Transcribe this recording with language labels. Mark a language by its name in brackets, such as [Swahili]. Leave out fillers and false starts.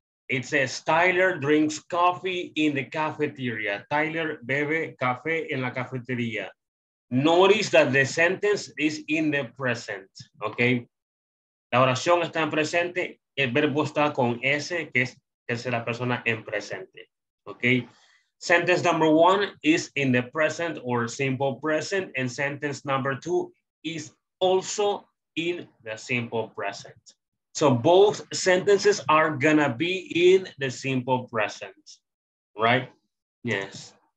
[English] It says, Tyler drinks coffee in the cafeteria. [Spanish] Tyler bebe café en la cafetería. [English] Notice that the sentence is in the present, okay? [Spanish] La oración está en presente, el verbo está con S, que es tercera persona en presente, okay? [English] Sentence number one is in the present or simple present, and sentence number two is also in the simple present. So both sentences are gonna be in the simple present, right? Yes.